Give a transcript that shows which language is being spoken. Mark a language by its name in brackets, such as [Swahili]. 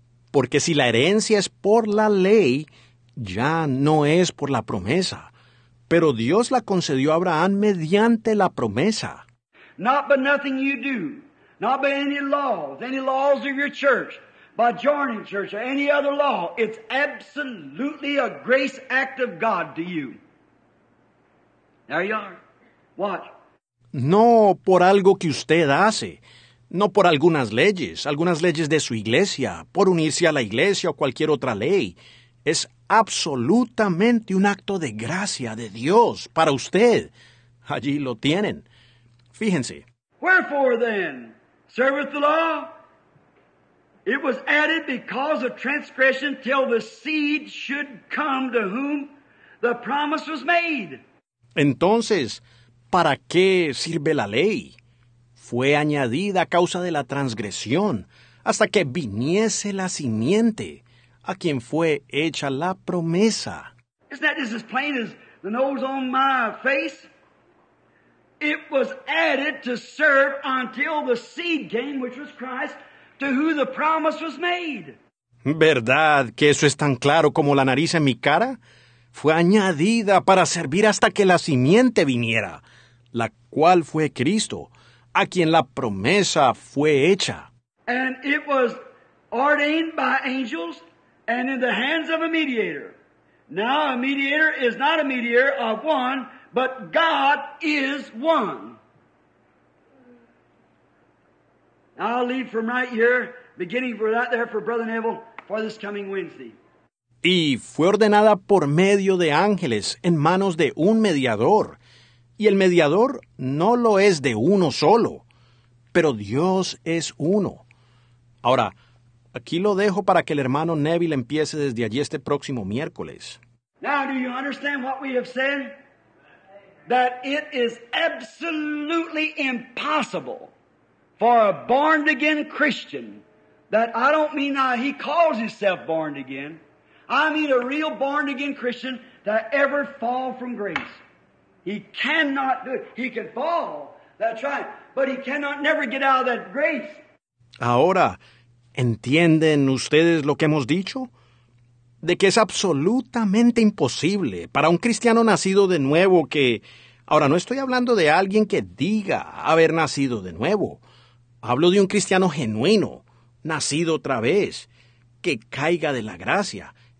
[Spanish] Porque si la herencia es por la ley, ya no es por la promesa. Pero Dios la concedió a Abraham mediante la promesa. [English] Not by nothing you do. Not by any laws of your church, by joining church or any other law. It's absolutely a grace act of God to you. There you are. Watch. [Spanish] No por algo que usted hace. No por algunas leyes de su iglesia, por unirse a la iglesia o cualquier otra ley. Es absolutamente un acto de gracia de Dios para usted. Allí lo tienen. Fíjense. [English] Wherefore then, serveth the law? It was added because of transgression till the seed should come to whom the promise was made. [Spanish] Entonces, ¿para qué sirve la ley? Fue añadida a causa de la transgresión, hasta que viniese la simiente, a quien fue hecha la promesa. [English] Isn't that just as plain as the nose on my face? It was added to serve until the seed came, which was Christ, to whom the promise was made. [Spanish] ¿Verdad que eso es tan claro como la nariz en mi cara? Fue añadida para servir hasta que la simiente viniera, la cual fue Cristo, a quien la promesa fue hecha. [English] And it was ordained by angels and in the hands of a mediator. Now a mediator is not a mediator of one, but God is one. Now I'll leave from right here, beginning for that there for Brother Neville for this coming Wednesday. [Spanish] Y fue ordenada por medio de ángeles en manos de un mediador. Y el mediador no lo es de uno solo, pero Dios es uno. Ahora, aquí lo dejo para que el hermano Neville empiece desde allí este próximo miércoles. [English] Now, do you understand what we have said? That it is absolutely impossible for a born-again Christian, that I don't mean now he calls himself born-again, I mean a real born-again Christian, to ever fall from grace. He cannot do it. He can fall, that's right, but he cannot never get out of that grace. [Spanish] Ahora, ¿Entienden ustedes lo que hemos dicho? De que es absolutamente imposible para un cristiano nacido de nuevo que... Ahora, no estoy hablando de alguien que diga haber nacido de nuevo. Hablo de un cristiano genuino, nacido otra vez, que caiga de la gracia.